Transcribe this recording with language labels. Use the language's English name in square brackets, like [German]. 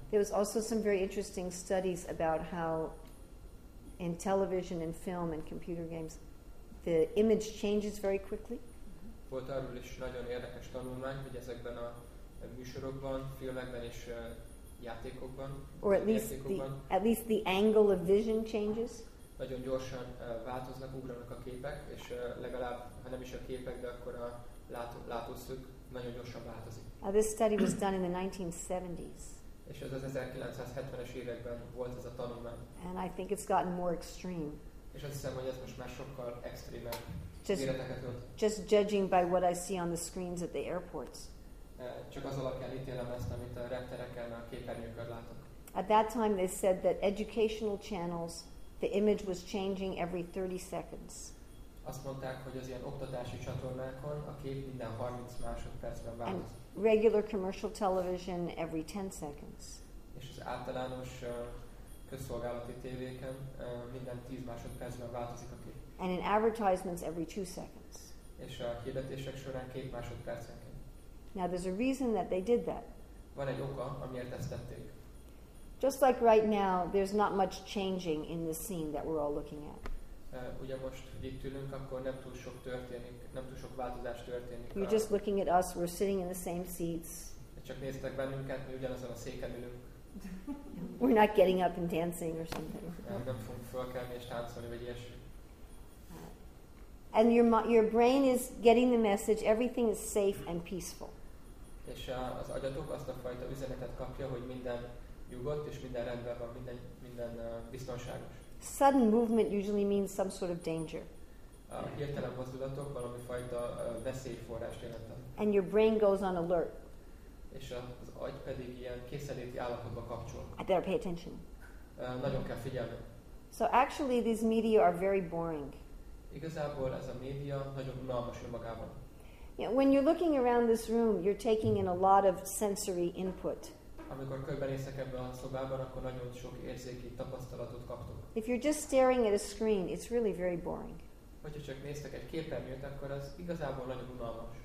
[English] There was also some very interesting studies about how in television and film and computer games the image changes very quickly. [Hungarian] Volt arról is nagyon érdekes tanulmány, hogy ezekben a műsorokban, filmekben és játékokban, [English] or at least, the angle of vision changes. [Hungarian] Nagyon gyorsan változnak, ugranak a képek, és legalább, ha nem is a képek, de akkor a látószög nagyon gyorsan változik. [English] This study was done in the 1970s. [Hungarian] És ez az 1970-es években volt ez a tanulmány. [English] And I think it's gotten more extreme. [Hungarian] És azt hiszem, hogy ez most már sokkal extrémebb. [English] Just judging by what I see on the screens at the airports. [Hungarian] Csak az alapján ítélem ezt, amit a reptereken a képernyőkön látok. [English] At that time they said that educational channels, the image was changing every 30 seconds. [Hungarian] Azt mondták, hogy az ilyen oktatási csatornákon a kép minden 30 másodpercben változik. [English] And regular commercial television every 10 seconds. [Hungarian] És az általános közszolgálati tévéken minden 10 másodpercben változik a kép. [English] And in advertisements every 2 seconds. [Hungarian] És a hirdetések során 2 másodpercen. [English] Now there's a reason that they did that. [Hungarian] Van egy oka, amiért ezt tették. [English] Just like right now, there's not much changing in the scene that we're all looking at. [Hungarian] Ugye most, hogy itt ülünk, akkor nem túl sok történik, nem túl sok változás történik. [English] You're just looking at us, we're sitting in the same seats. [Hungarian] Csak néztek bennünket, mi ugyanazon a széken ülünk. [English] We're not getting up and dancing or something. [Hungarian] Nem fogunk fölkelni és táncolni, vagy ilyesmi. [English] And your brain is getting the message, everything is safe and peaceful. [Hungarian] És az agyatok azt a fajta üzenetet kapja, hogy minden nyugodt és minden rendben van, minden biztonságos. [English] Sudden movement usually means some sort of danger. [Hungarian] A hirtelen mozdulatok valami fajta veszélyforrást jelentenek. [English] And your brain goes on alert. [Hungarian] És az agy pedig ilyen készenléti állapotba kapcsol. [English] I better pay attention. [Hungarian] Nagyon kell figyelni. [English] So actually these media are very boring. [Hungarian] Igazából ez a média nagyon unalmas önmagában. [English] Yeah, when you're looking around this room, you're taking in a lot of sensory input. [Hungarian] Amikor körbenézek ebben a szobában, akkor nagyon sok érzéki tapasztalatot kaptok. [English] If you're just staring at a screen, it's really very boring. [Hungarian] Hogyha csak néztek egy képernyőt, akkor az igazából nagyon unalmas.